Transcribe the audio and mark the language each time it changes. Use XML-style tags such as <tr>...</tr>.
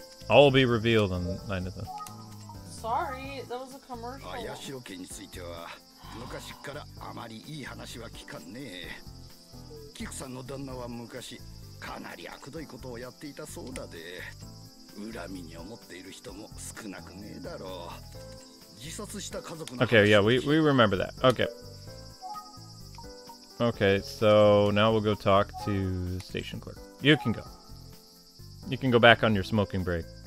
<en>All will be revealed on the night of the... Sorry, that was a commercial.</en> <ja>Ayashiro-kenについては、昔からあまり良い話は聞かねえ。キクさんの旦那は昔かなり悪どいことをやっていたそうだで、恨みに思っている人も少なくねえだろう。自殺した家族の話。</ja> <en>Okay, yeah, we remember that. Okay. Okay, so now we'll go talk to the station clerk. You can go. You can go back on your smoking break.</en>